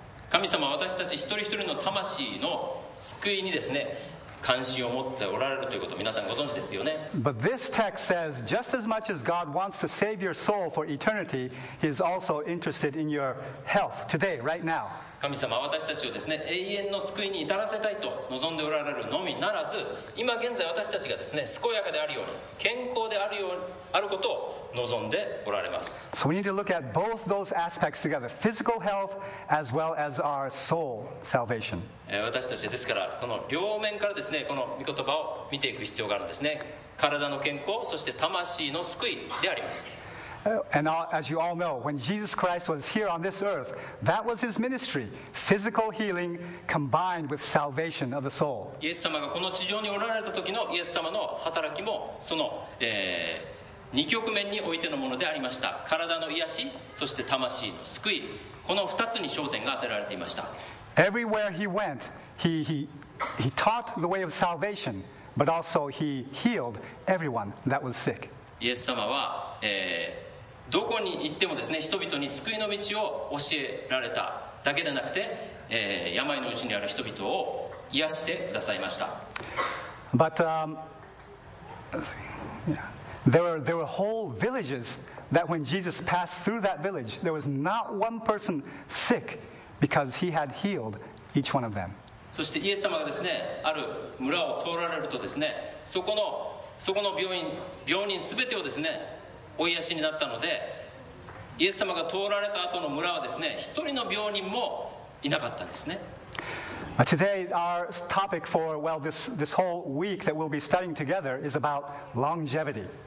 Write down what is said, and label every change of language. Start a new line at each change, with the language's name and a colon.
Japanese: 神様は私たち一人一人の魂の救いにですね、関心を持っておられるということを皆さんご存知ですよね。
English: But this text says just as much as God wants to save your soul for eternity, He is also interested in your health today, right now.
Japanese: 神様は私たちをですね、永遠の救いに至らせたいと望んでおられるのみならず、今現在私たちがですね、健やかであるように、健康であるようあることを望んでおられます。
English: So we need to look at both those aspects together, physical health as well as our soul salvation.
Japanese: 私たちですから、この両面からですね、この御言葉を見ていく必要があるんですね。体の健康、そして魂の救いであります。
English: And as you all know, when Jesus Christ was here on this earth, that was his ministry, physical healing combined with salvation of the soul.
Japanese: イエス様がこの地上におられた時のイエス様の働きもその、二極面においてのものでありました。体の癒し、そして魂の救い、この二つに焦点が当てられていました。
English: Everywhere he went, he taught the way of salvation, but also he healed everyone that was sick.
Japanese: イエス様は、どこに行ってもですね、人々に救いの道を教えられただけでなくて、病のうちにある人々を癒してくださいました。
English: But, there were whole villages that when Jesus passed through that village, there was not one person sick because he had healed each one of them.
Japanese: そしてイエス様がですね、ある村を通られるとですね、そこの病人すべてをですね、お癒しになったので、イエス様が通られた後の村はですね、一人の病人もいなかったんですね。
English: Today, our topic for, well, this whole week that we'll be studying together is about longevity.